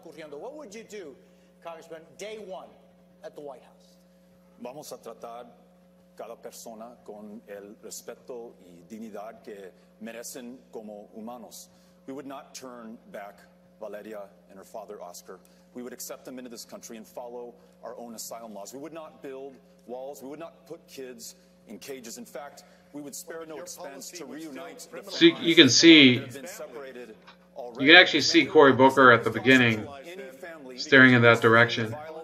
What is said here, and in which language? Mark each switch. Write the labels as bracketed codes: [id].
[en] What would you do, Congressman, day one at the White House? [es] Vamos a tratar cada persona con el respeto y dignidad que merecen como humanos. [en] We would not turn back Valeria and her father, Oscar. We would accept them into this country and follow our own asylum laws. We would not build walls. We would not put kids in cages. In fact, we would spare no expense to reunite. So you can see, you can actually see Cory Booker at the beginning staring in that direction.